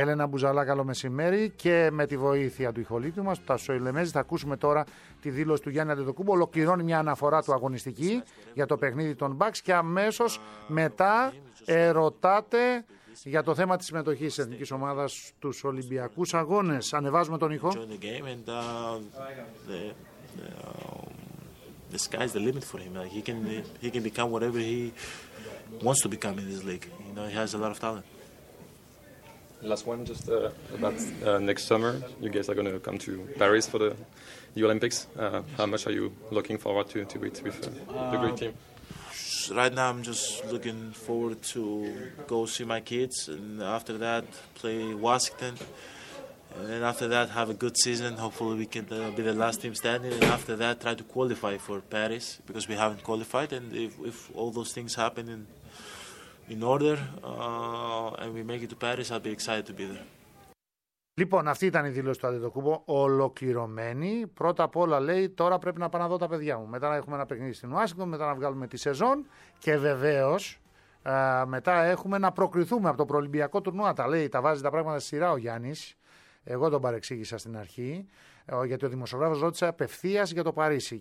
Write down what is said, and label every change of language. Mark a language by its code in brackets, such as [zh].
[el] Έλενα Μπουζαλά, καλό μεσημέρι. Και με τη βοήθεια του Ιχολίτου μας, του Τάσου Ελεμέζη, θα ακούσουμε τώρα τη δήλωση του Γιάννη Αντετοκούμπο. Ολοκληρώνει μια αναφορά του αγωνιστική για το παιχνίδι των Bucks και αμέσως μετά ερωτάται για το θέμα της συμμετοχής της εθνικής ομάδας στους Ολυμπιακούς Αγώνες. Ανεβάζουμε τον ήχο. [en] The sky is the limit for him. He can become whatever he wants to become in this league. You know, he has a lot of talent. Last one, just about next summer. You guys are going to come to Paris for the Olympics. How much are you looking forward to it with the great team? Right now, I'm just looking forward to go see my kids, and after that, play Washington. And then after that, have a good season. Hopefully, we can be the last team standing. And after that, try to qualify for Paris because we haven't qualified. And if all those things happen in order and we make it to Paris, I'll be excited to be there. [el] Λοιπόν, αυτή ήταν η δήλωση του Αντετοκούμπο, ολοκληρωμένη. Πρώτα απ' όλα λέει, τώρα πρέπει να πάω να δω τα παιδιά μου. Μετά να έχουμε ένα παιχνίδι στην Ουάσιγκτον, μετά να βγάλουμε τη σεζόν και βεβαίως μετά έχουμε να προκριθούμε από το προολυμπιακό τουρνουά. Τα λέει, τα βάζει τα πράγματα στη σειρά ο Γιάννης. Εγώ τον παρεξήγησα στην αρχή, γιατί ο δημοσιογράφος ρώτησε απευθείας για το Παρίσι.